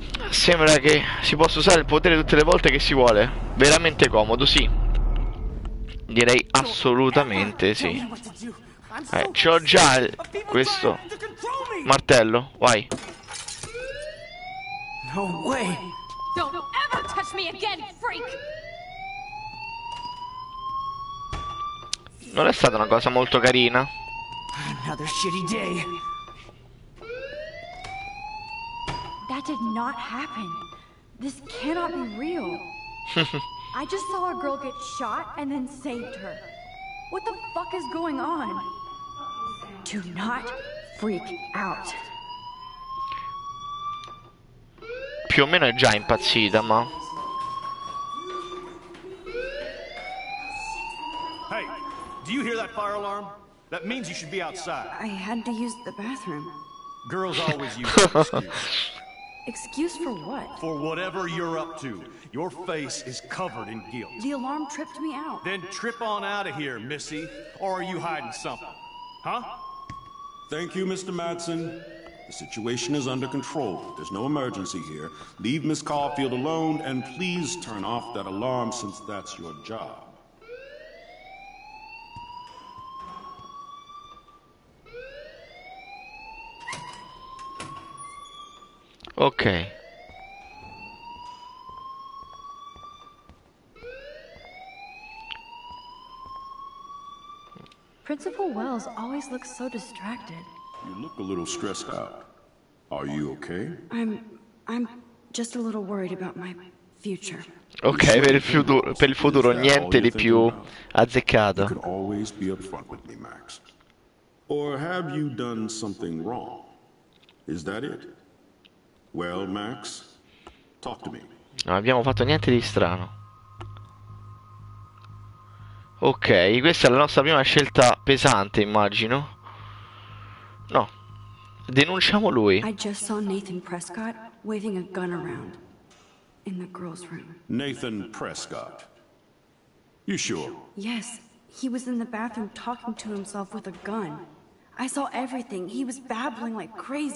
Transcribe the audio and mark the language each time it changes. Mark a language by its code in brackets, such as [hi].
[it] Sembra che si possa usare il potere tutte le volte che si vuole. Veramente comodo, sì. Direi assolutamente sì. C'ho già questo martello, vai. [en] No way. Don't ever touch me again, freak. [it] Non è stata una cosa molto carina. [en] Another shitty day. That did not happen. This cannot be real. I just saw a girl get shot and then saved her. What the fuck is going on? Do not freak out. [it] Più o meno è già impazzita, ma. [en] Hey, do you hear that fire alarm? That means you should be outside. I had to use the bathroom. Girls always use excuses. Excuse for what? For whatever you're up to. Your face is covered in guilt. The alarm tripped me out. Then trip on out of here, Missy. Or are you hiding something? Huh? Thank you, Mr. Madsen. The situation is under control. There's no emergency here. Leave Miss Caulfield alone and please turn off that alarm since that's your job. Ok. Principal Wells always looks so distracted. You look a little stressed out. Are you okay? I'm just a little worried about my future. [it] Ok, per il futuro niente di più azzeccato. [en] You can always be upfront with me, Max. Or have you done something wrong? Is that it? Well, Max, talk to me. [it] Non abbiamo fatto niente di strano. Ok, questa è la nostra prima scelta pesante, immagino. No. Denunciamo lui. [en] I just saw Nathan Prescott waving a gun around in the girls' room. Nathan Prescott. You sure? Yes, he was in the bathroom talking to himself with a gun. I saw everything. He was babbling like crazy.